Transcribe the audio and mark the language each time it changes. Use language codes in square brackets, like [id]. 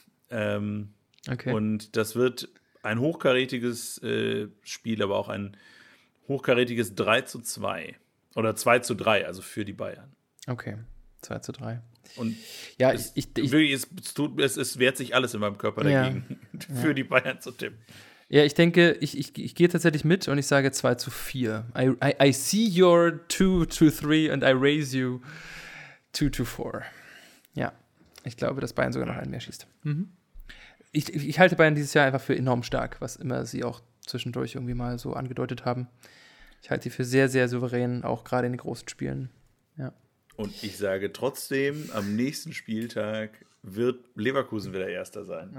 [de] Und das wird ein hochkarätiges Spiel, aber auch ein hochkarätiges 3-2 oder 2-3, also für die Bayern. Okay, 2-3. Und ja, es wehrt sich alles in meinem Körper dagegen, für die Bayern zu tippen. Ja, ich denke, ich gehe tatsächlich mit und ich sage 2-4. [en] I see your 2-3 and I raise you 2-4. [de] Ja, ich glaube, dass Bayern sogar noch einen mehr schießt. Mhm. Ich halte Bayern dieses Jahr einfach für enorm stark, was immer sie auch zwischendurch irgendwie mal so angedeutet haben. Ich halte sie für sehr, sehr souverän, auch gerade in den großen Spielen. Ja. Und ich sage trotzdem, am nächsten Spieltag wird Leverkusen wieder Erster sein.